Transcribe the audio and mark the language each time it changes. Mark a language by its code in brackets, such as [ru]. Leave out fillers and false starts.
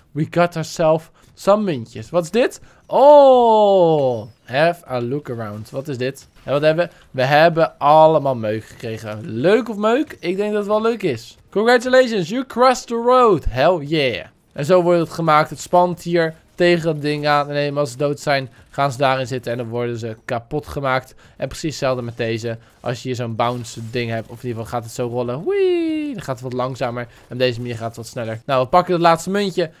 [en] We got ourselves some muntjes. [nl] Wat is dit? Oh! [en] Have a look around. [nl] Wat is dit? En wat hebben we? We hebben allemaal meuk gekregen. Leuk of meuk? Ik denk dat het wel leuk is. [en] Congratulations, you crossed the road. Hell yeah. [nl] En zo wordt het gemaakt. Het spant hier tegen het ding aan. En eenmaal als ze dood zijn, gaan ze daarin zitten. En dan worden ze kapot gemaakt. En precies hetzelfde met deze. Als je hier zo'n bounce ding hebt. Of in ieder geval gaat het zo rollen. Wee! Dan gaat het wat langzamer. En op deze manier gaat het wat sneller. Nou, we pakken het laatste muntje.